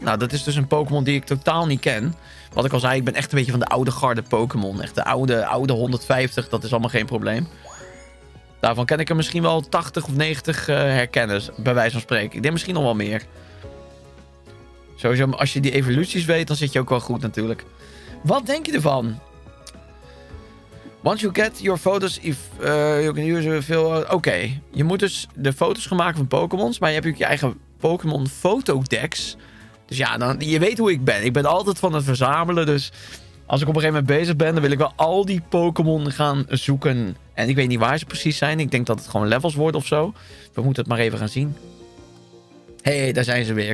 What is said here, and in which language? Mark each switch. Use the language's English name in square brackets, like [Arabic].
[Dutch] Nou, dat is dus een Pokémon die ik totaal niet ken. Wat ik al zei, ik ben echt een beetje van de oude garde Pokémon. Echt de oude 150. Dat is allemaal geen probleem. Daarvan ken ik er misschien wel 80 of 90 herkenners, bij wijze van spreken. Ik denk misschien nog wel meer. Sowieso, als je die evoluties weet, dan zit je ook wel goed natuurlijk. Wat denk je ervan? [English] Once you get your photos, if you can use a few... [Dutch] Oké, je moet dus de foto's gaan maken van Pokémon's, maar je hebt ook je eigen Pokémon Photodex. Dus ja, dan, je weet hoe ik ben. Ik ben altijd van het verzamelen, dus... Als ik op een gegeven moment bezig ben, dan wil ik wel al die Pokémon gaan zoeken. En ik weet niet waar ze precies zijn. Ik denk dat het gewoon levels worden of zo. We moeten het maar even gaan zien. Hey, daar zijn ze weer.